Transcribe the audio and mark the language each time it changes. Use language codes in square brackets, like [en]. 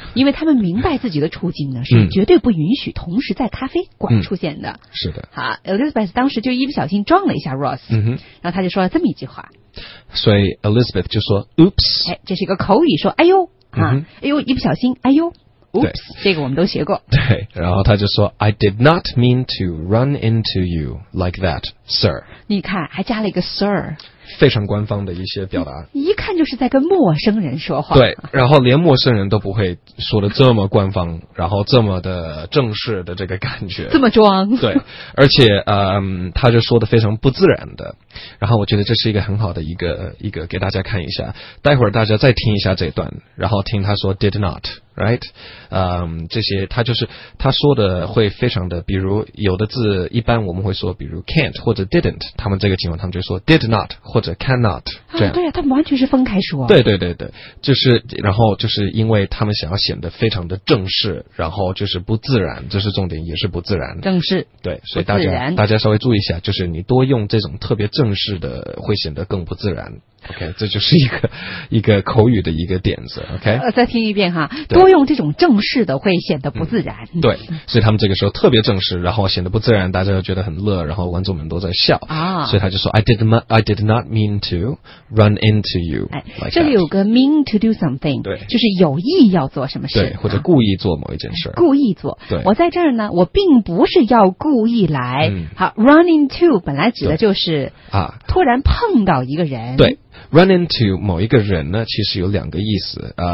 [zh] 因为他们明白自己的处境呢，是绝对不允许同时在咖啡馆出现的。是的。好 ，Elizabeth 当时就一不小心撞了一下 Ross， 然后他就说了这么一句话。所以 Elizabeth 就说 Oops，哎，这是一个口语，说哎呦啊，哎呦一不小心，哎呦。 Oops， 这个我们都学过。对，然后他就说 [en] ，I did not mean to run into you like that, sir。 [zh] 你看，还加了一个 sir，非常官方的一些表达，一看就是在跟陌生人说话。对，然后连陌生人都不会说的这么官方，然后这么的正式的这个感觉，这么装。对，而且他就说的非常不自然的。然后我觉得这是一个很好的一个给大家看一下，待会儿大家再听一下这段，然后听他说 did not。 Right， 这些他就是他说的会非常的，比如有的字一般我们会说，比如 can't 或者 didn't， 他们这个情况他们就说 did not 或者 cannot 这样。啊，对啊，他们完全是分开说。对对对对，就是然后就是因为他们想要显得非常的正式，然后就是不自然，这是重点，也是不自然。正式。对，所以大家稍微注意一下，就是你多用这种特别正式的，会显得更不自然。 OK， 这就是一个口语的一个点子。 OK，再听一遍哈，多用这种正式的会显得不自然。对，所以他们这个时候特别正式，然后显得不自然，大家就觉得很乐，然后观众们都在笑啊。所以他就说 [en] ，I did not mean to run into you、like。 [zh] 哎，这里有个 mean to do something，对，就是有意要做什么事，对，或者故意做某一件事，故意做。对，我在这儿呢，我并不是要故意来。好 ，run into 本来指的就是啊，突然碰到一个人。对。Run into 某一个人呢，其实有两个意思。